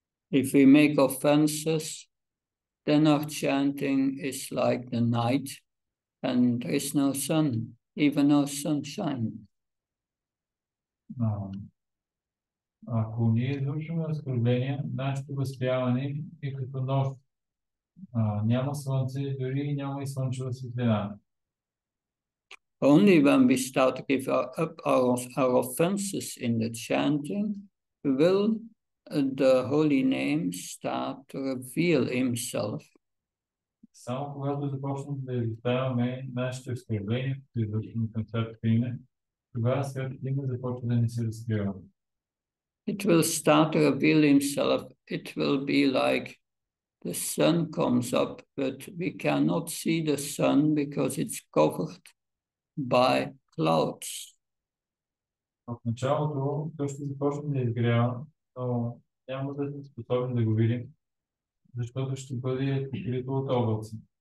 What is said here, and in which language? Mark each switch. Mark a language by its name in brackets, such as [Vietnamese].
[English] If we make offenses, then our chanting is like the night, and there is no sun, even no sunshine. [Bulgarian] Ако ние извършваме оскърбления, нашето възпяване е като нощ. Няма слънце, дори няма и слънчева светлина. [English] Only when we start to give up our offenses in the chanting, will the holy name start to reveal himself. [Bulgarian] Само когато започнем да изставяме нашите оскърбления, като извършваме към Святото име, тогава Святото име започва да ни се разкрива. [English] It will start to reveal himself. It will be like the sun comes up, but we cannot see the sun because it's covered by clouds. [Bulgarian] От началото той ще започне да изгрява, но няма да сме способни да го видим, защото ще бъде покрито от облаци.